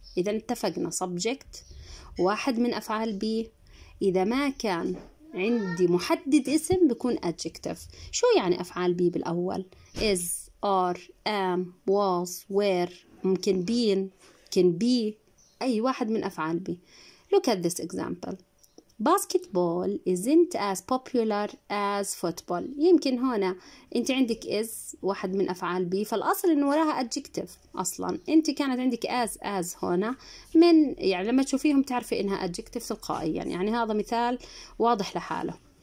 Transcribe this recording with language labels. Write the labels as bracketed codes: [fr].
[ar] إذا اتفقنا سبجكت واحد من أفعال بي، إذا ما كان عندي محدد اسم بيكون أدجكتف. شو يعني أفعال بي بالأول؟ [en] is are am was where، [ar] ممكن [en] been can be، [ar] أي واحد من أفعال بي. [en] look at this example basketball isn't as popular as football. [ar] يمكن هنا أنت عندك is واحد من أفعال بي، فالأصل إنه وراها adjective أصلاً، أنت كانت عندك as هنا من، يعني لما تشوفيهم تعرفي إنها adjective تلقائياً، يعني هذا مثال واضح لحاله.